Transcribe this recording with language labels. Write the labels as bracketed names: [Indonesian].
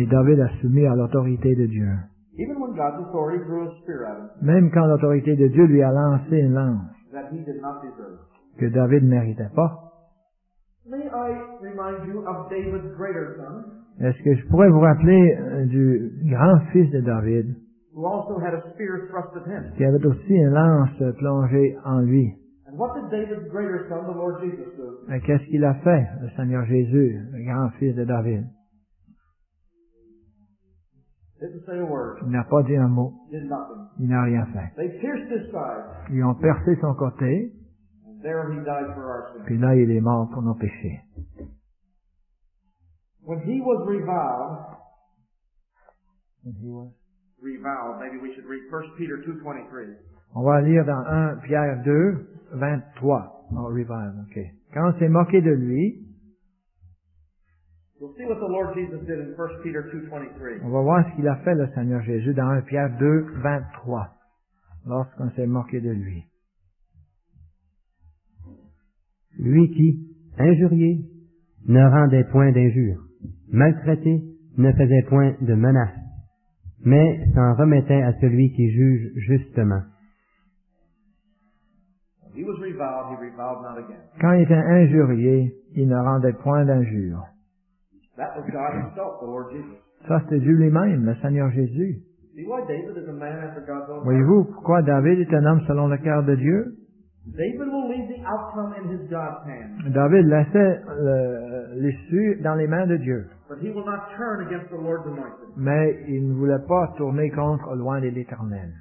[French] Et David a soumis à l'autorité de Dieu. [English] Even when God's authority threw a spear at him, [French] même quand l'autorité de Dieu lui a lancé une lance [English] that he did not deserve, [French] que David ne méritait pas. [English] May I remind you of David's greater son, [French] est-ce que je pourrais vous rappeler du grand fils de David, [English] who also had a spear thrust at him, [French] qui avait aussi une lance plongée en lui? [English] And what did David's greater son, the Lord Jesus, do? [French] Et qu'est-ce qu'il a fait, le Seigneur Jésus, le grand fils de David? [English] Didn't say a word. [French] Il n'a pas dit un mot. [English] Did nothing. [French] Il n'a rien fait. [English] They pierced his side. [French] Ils ont percé son côté. [English] And there he died for our sins. [French] Puis là, il est mort pour nos péchés. [English] When he was reviled, when he was reviled, maybe we should read 1 Peter 2:23. [French] On va lire dans 1 Pierre 2:23. [English] Oh, revival, okay. [French] Quand on s'est moqué de lui, [English] we'll see what the Lord Jesus did in 1 Peter 2:23. [French] On va voir ce qu'il a fait le Seigneur Jésus dans 1 Pierre 2:23, lorsqu'on s'est moqué de lui. Lui qui, injurié, ne rendait point d'injure, maltraité, ne faisait point de menace, mais s'en remettait à celui qui juge justement. [English] He was reviled, he reviled not again. [French] Quand il était injurié, il ne rendait point d'injure. [English] That was God himself, the Lord Jesus. [French] Ça, c'était Dieu lui-même, le Seigneur Jésus. [English] See why David is a man after God's own. [French] Voyez-vous pourquoi David est un homme selon le cœur de Dieu? [English] David will leave the outcome in his God's hands. [French] David laissait l'issue dans les mains de Dieu. [English] But he will not turn against the Lord's anointed. [French] Mais il ne voulait pas tourner contre loin de l'Éternel.